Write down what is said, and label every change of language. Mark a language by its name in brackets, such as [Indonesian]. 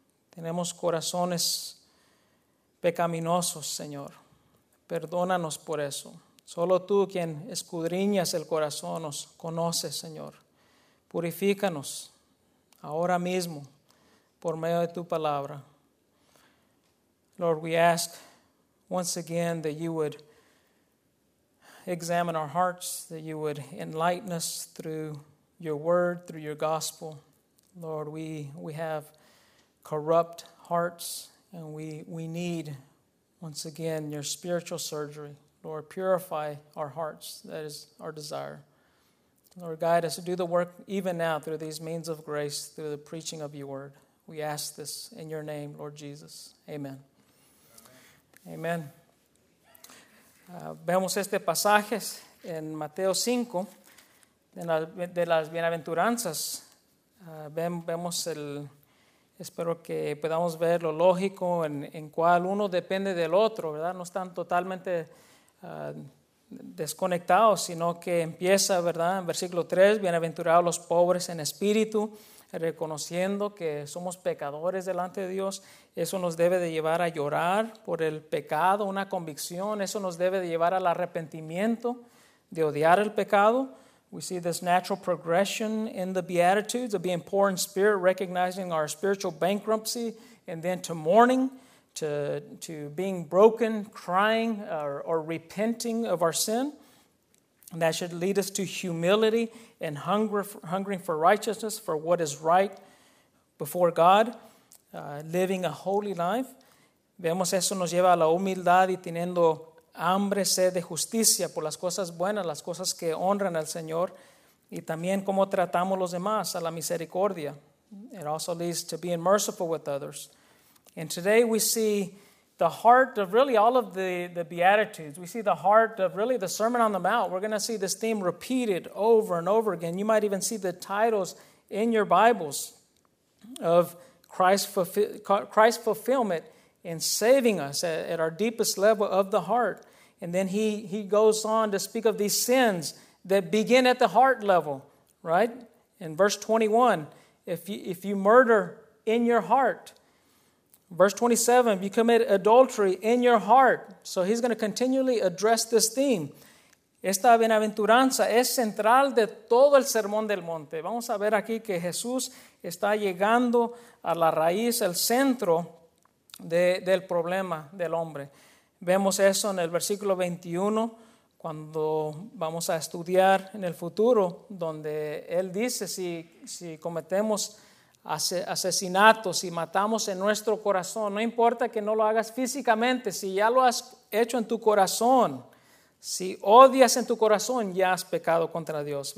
[Spanish] Tenemos corazones pecaminosos, Señor. Perdónanos por eso. Solo tú, quien escudriñas el corazón, nos conoces, Señor. Purifícanos ahora mismo, por medio de tu palabra. [English] Lord, we ask once again that you would examine our hearts, that you would enlighten us through your word, through your gospel. Lord, we have corrupt hearts, and we need, once again, your spiritual surgery. Lord, purify our hearts. That is our desire. Lord, guide us to do the work even now through these means of grace, through the preaching of your word. We ask this in your name, Lord Jesus. Amen. Amen. [Spanish] Amen. Vemos este pasaje en Mateo 5. de las bienaventuranzas, vemos el, espero que podamos ver lo lógico en cual uno depende del otro, ¿verdad? No están totalmente desconectados, sino que empieza, ¿verdad? En versículo 3, bienaventurados los pobres en espíritu, reconociendo que somos pecadores delante de Dios. Eso nos debe de llevar a llorar por el pecado, una convicción. Eso nos debe de llevar al arrepentimiento, de odiar el pecado. [English] We see this natural progression in the Beatitudes of being poor in spirit, recognizing our spiritual bankruptcy, and then to mourning, to being broken, crying, or repenting of our sin. And that should lead us to humility and hungering for righteousness, for what is right before God, living a holy life. [Spanish] Vemos eso nos lleva a la humildad y teniendo hambre, sed de justicia por las cosas buenas, las cosas que honran al Señor, y también cómo tratamos los demás, a la misericordia. [English] It also leads to being merciful with others. And today we see the heart of really all of the Beatitudes. We see the heart of really the Sermon on the Mount. We're going to see this theme repeated over and over again. You might even see the titles in your Bibles of Christ's fulfillment in saving us at our deepest level of the heart. And then he goes on to speak of these sins that begin at the heart level, right? In verse 21, if you murder in your heart. Verse 27, if you commit adultery in your heart. So he's going to continually address this theme. [Spanish] Esta bienaventuranza es central de todo el Sermón del Monte. Vamos a ver aquí que Jesús está llegando a la raíz, el centro del problema del hombre. Vemos eso en el versículo 21, cuando vamos a estudiar en el futuro, donde él dice, si cometemos asesinato, si matamos en nuestro corazón, no importa que no lo hagas físicamente, si ya lo has hecho en tu corazón, si odias en tu corazón, ya has pecado contra Dios.